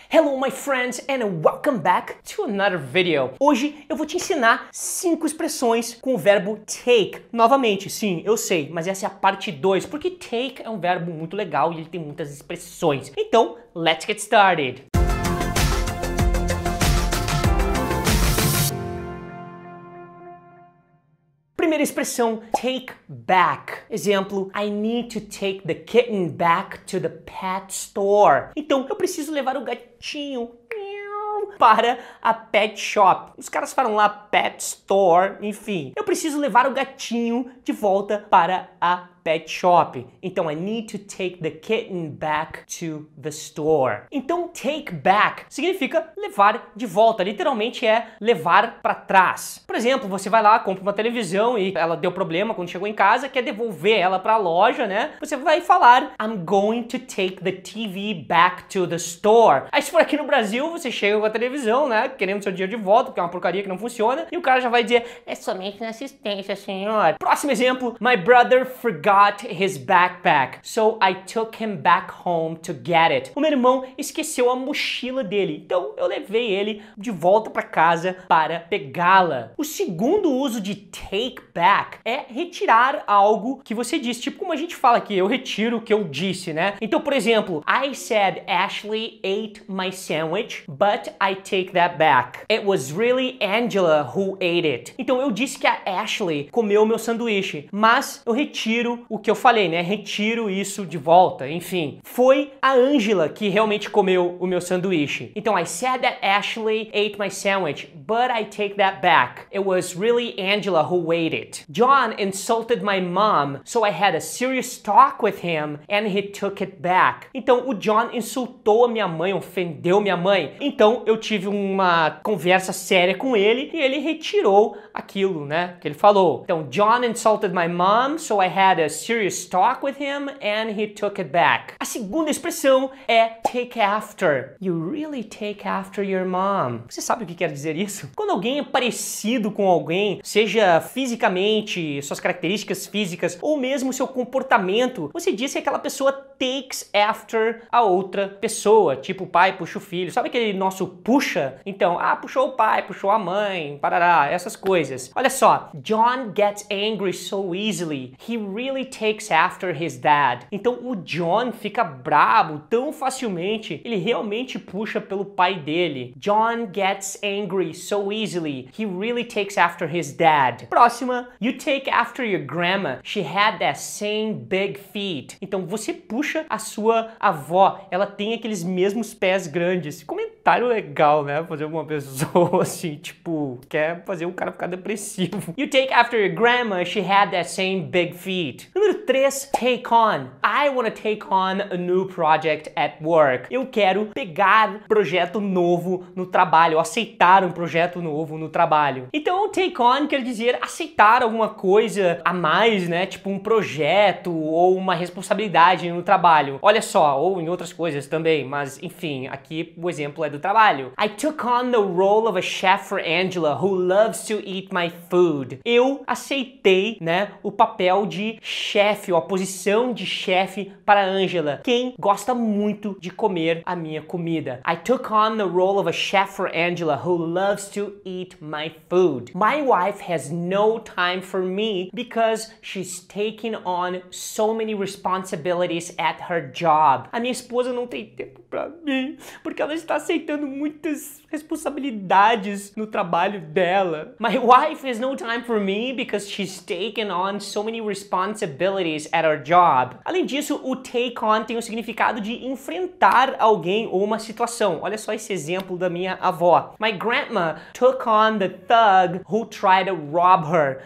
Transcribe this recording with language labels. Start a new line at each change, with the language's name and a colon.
English: Hello, my friends, and welcome back to another video.
Portuguese: Hoje eu vou te ensinar 5 expressões com o verbo take. Novamente, sim, eu sei, mas essa é a parte 2, porque take é um verbo muito legal e ele tem muitas expressões. Então,
English: let's get started.
Portuguese: Primeira expressão,
English: take back. Exemplo, I need to take the kitten back to the pet store.
Portuguese: Então, eu preciso levar o gatinho para a pet shop. Os caras falam lá pet store, enfim. Eu preciso levar o gatinho de volta para a pet shop.
English: Então, I need to take the kitten back to the store.
Portuguese: Então, take back significa levar de volta. Literalmente é levar para trás. Por exemplo, você vai lá, compra uma televisão e ela deu problema quando chegou em casa, quer devolver ela para a loja, né? Você vai falar,
English: I'm going to take the TV back to the store.
Portuguese: Aí, se for aqui no Brasil, você chega com a televisão, né? Querendo seu dinheiro de volta, porque é uma porcaria que não funciona. E o cara já vai dizer, é somente na assistência, senhor. Próximo exemplo,
English: my brother forgot his backpack, so I took him back home to get it.
Portuguese: O meu irmão esqueceu a mochila dele, então eu levei ele de volta pra casa para pegá-la. O segundo uso de take back é retirar algo que você disse, tipo como a gente fala aqui, eu retiro o que eu disse, né? Então, por exemplo,
English: I said Ashley ate my sandwich, but I take that back. It was really Angela who ate it.
Portuguese: Então, eu disse que a Ashley comeu meu sanduíche, mas eu retiro o que eu falei, né? Retiro isso de volta, enfim. Foi a Angela que realmente comeu o meu sanduíche.
English: Então, I said that Ashley ate my sandwich, but I take that back. It was really Angela who ate it. John insulted my mom, so I had a serious talk with him, and he took it back.
Portuguese: Então, o John insultou a minha mãe, ofendeu minha mãe. Então, eu tive uma conversa séria com ele e ele retirou aquilo, né, que ele falou.
English: Então, John insulted my mom, so I had a serious talk with him and he took it back.
Portuguese: A segunda expressão é
English: take after. You really take after your mom.
Portuguese: Você sabe o que quer dizer isso? Quando alguém é parecido com alguém, seja fisicamente, suas características físicas ou mesmo seu comportamento, você diz que aquela pessoa takes after a outra pessoa, tipo o pai puxa o filho. Sabe aquele nosso puxa? Então, ah, puxou o pai, puxou a mãe, parará, essas coisas.
English: Olha só, John gets angry so easily. He really takes after his dad.
Portuguese: Então, o John fica brabo tão facilmente, ele realmente puxa pelo pai dele.
English: John gets angry so easily. He really takes after his dad. Próxima, you take after your grandma. She had that same big feet.
Portuguese: Então, você puxa a sua avó. Ela tem aqueles mesmos pés grandes. Comentário legal, né? Fazer uma pessoa assim, tipo, quer fazer o cara ficar depressivo.
English: You take after your grandma, she had that same big feet.
Portuguese: Número 3,
English: take on. I want to take on a new project at work.
Portuguese: Eu quero pegar projeto novo no trabalho, aceitar um projeto novo no trabalho. Então, take on quer dizer aceitar alguma coisa a mais, né? Tipo, um projeto ou uma responsabilidade no trabalho. Olha só, ou em outras coisas também, mas enfim, aqui o exemplo é do trabalho.
English: I took on the role of a chef for Angela, who loves to eat my food.
Portuguese: Eu aceitei, né, o papel de chefe, ou a posição de chefe para Angela, quem gosta muito de comer a minha comida.
English: I took on the role of a chef for Angela, who loves to eat my food. My wife has no time for me because she's taking on so many responsibilities at her job.
Portuguese: A minha esposa não tem tempo pra mim, porque ela está aceitando muitas responsabilidades no trabalho dela.
English: My wife has no time for me because she's taken on so many responsibilities at her job.
Portuguese: Além disso, o take on tem o significado de enfrentar alguém ou uma situação. Olha só esse exemplo da minha avó.
English: My grandma took on the thug who tried to rob her.